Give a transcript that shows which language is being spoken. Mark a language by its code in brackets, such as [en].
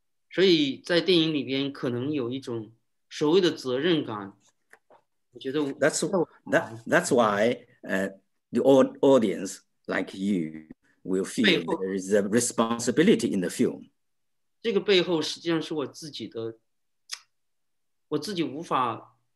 [zh] 所以在电影里边可能有一种所谓的责任感。 [en] That's why the audience like you will feel [zh] 背后, [en] there is a responsibility in the film. [zh] 这个背后实际上是我自己的，我自己无法。